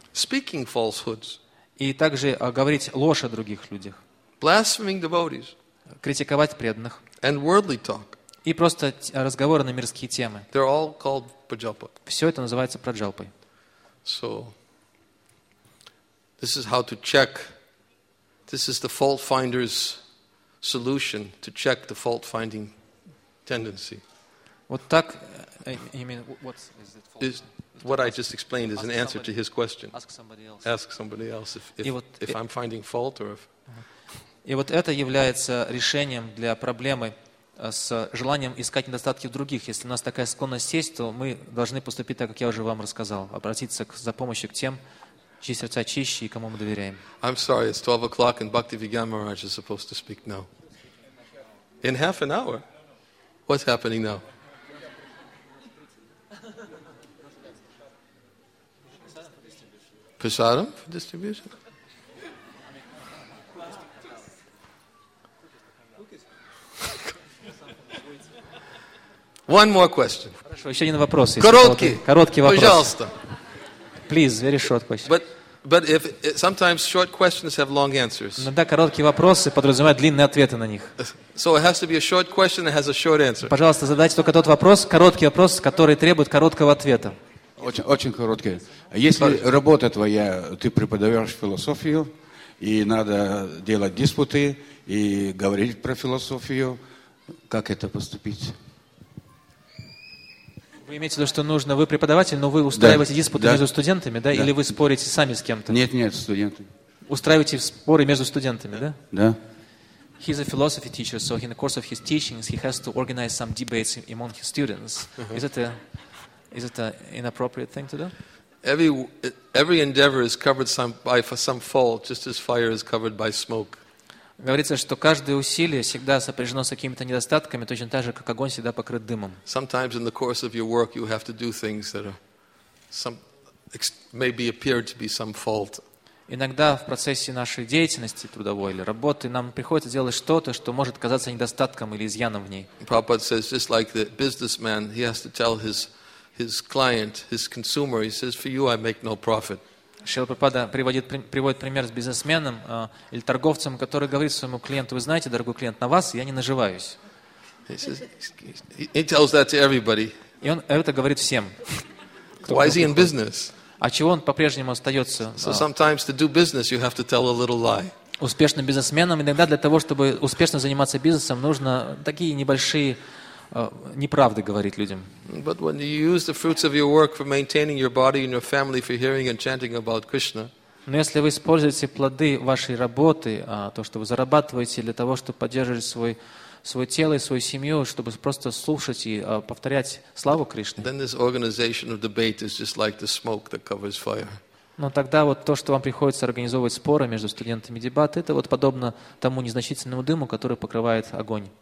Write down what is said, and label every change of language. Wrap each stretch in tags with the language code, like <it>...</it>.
<en>Speaking falsehoods.</en> <ru>И также говорить ложь о других людях.</ru> <en>Blaspheming devotees.</en> <ru>Критиковать преданных.</ru> <en>And worldly talk.</en> <ru>И просто разговоры на мирские темы.</ru> <en>They're all called prajalpa.</en> <ru>Все это называется праджалпой.</ru> <en>So, this is how to check. This is the fault finder's solution to check the fault finding tendency.</en> <ru>Вот так,</ru> <en>I mean, what is it fault finding? What I just explained is an answer to his question. Ask somebody else. Ask somebody else if I'm finding fault or if.</en> <ru>И вот это является решением для проблемы с желанием искать недостатки в других. Если у нас такая склонность есть, то мы должны поступить так, как я уже вам рассказал, обратиться за помощью к тем, чьи сердца чище и кому мы доверяем.</ru> <en>I'm sorry, it's 12 o'clock and Bhaktivedanta Maharaj is supposed to speak now. In half an hour? What's happening now? Prasadam for distribution? One more question.</en> <ru>Хорошо, еще один вопрос. Короткий вопрос. Пожалуйста.</ru> <en>Please, very short question. But if sometimes short questions have long answers.</en> <ru>Иногда короткие вопросы подразумевают длинные ответы на них.</ru> <en>So it has to be a short question that has a short answer.</en> <ru>Пожалуйста, задайте только тот вопрос, короткий вопрос, который требует короткого ответа. Очень, очень короткий. Если работа твоя, ты преподаешь философию, и надо делать диспуты, и говорить про философию, как это поступить? Вы имеете в виду, что нужно, вы преподаватель, но вы устраиваете диспуты между студентами, да? Или вы спорите сами с кем-то? Нет, студенты. Устраиваете споры между студентами, да? Да.</ru> <en>He's a philosophy teacher, so in the course of his teachings, he has to organize some debates among his students. Is it an inappropriate thing to do? Every endeavor is covered by some fault, just as fire is covered by smoke.</en> <ru>Говорится, что каждое усилие всегда сопряжено с какими-то недостатками, точно так же, как огонь всегда покрыт дымом.</ru> <en>Sometimes in the course of your work, you have to do things that are some maybe appear to be some fault.</en> <ru>Иногда в процессе нашей деятельности трудовой или работы нам приходится делать что-то, что может казаться недостатком или изъяном в ней.</ru> <en>Prabhupada says, just like the businessman, he has to tell his client, his consumer, he says, for you I make no profit.</en> <ru>Шрила Прабхупада приводит пример с бизнесменом или торговцем, который говорит своему клиенту, вы знаете, дорогой клиент, на вас я не наживаюсь.</ru> <en>He tells that to everybody.</en> <ru>И он это говорит всем.</ru> <en>Why is he in business?</en> <ru>А чего он по-прежнему остается?</ru> <en>So sometimes to do business you have to tell a little lie.</en> <ru>Успешным бизнесменам иногда для того, чтобы успешно заниматься бизнесом, нужно такие небольшие неправды говорить людям.</ru> <en>But when you use the fruits of your work for maintaining your body and your family for hearing and chanting about Krishna.</en> <ru>Но если вы используете плоды вашей работы, то, что вы зарабатываете для того, чтобы поддерживать свое тело и свою семью, чтобы просто слушать и повторять славу Кришны. Но тогда вот то, что вам приходится организовывать споры между студентами дебаты, это вот подобно тому незначительному дыму, который покрывает огонь.</ru>